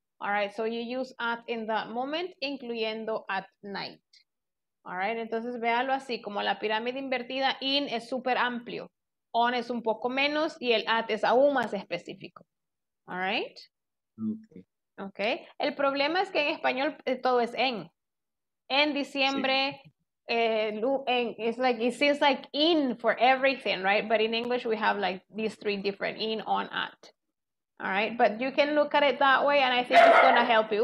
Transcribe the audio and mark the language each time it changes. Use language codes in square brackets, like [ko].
[en] All right, so you use at in that moment, incluyendo at night. All right, [es] entonces véalo así, como la pirámide invertida, in es súper amplio, on es un poco menos y el at es aún más específico. [en] All right? Okay. Okay. [es] El problema es que en español todo es en. En diciembre, sí. [en] It's like, it seems like in for everything, right? But in English, we have like these three different, in, on, at. All right? But you can look at it that way, and I think it's going to help you.